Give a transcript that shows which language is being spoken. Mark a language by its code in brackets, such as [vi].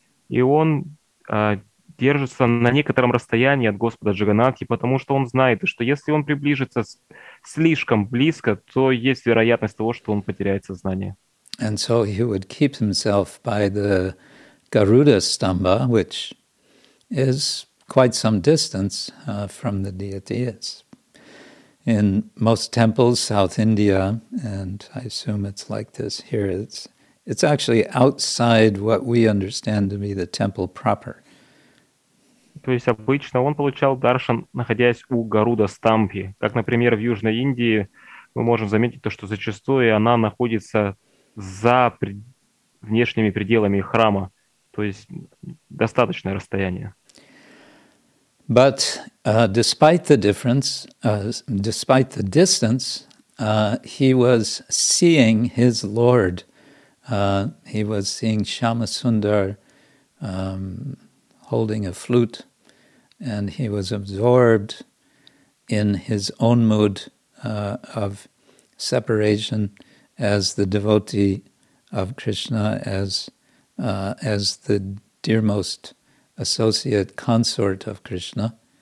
[ru] И он держится на некотором расстоянии от Господа Джаганатхи, потому что он знает, что если он приближится слишком близко, то есть вероятность того, что он потеряет сознание. [en] And so he would keep himself by the Garuda Stamba, which is quite some distance from the deity. It's in most temples, South India, and I assume it's like this here. It's actually outside what we understand to be the temple proper. [ru] То есть обычно он получал даршан, находясь у Гаруда Стамбхи. Как, например, в Южной Индии мы можем заметить то, что зачастую она находится за внешними пределами храма, то есть достаточное расстояние. [en] But despite the difference, despite the distance, he was seeing his Lord. He was seeing Shyamasundar holding a flute, and he was absorbed in his own mood of separation as the devotee of Krishna, as the dearmost associate, consort of Krishna.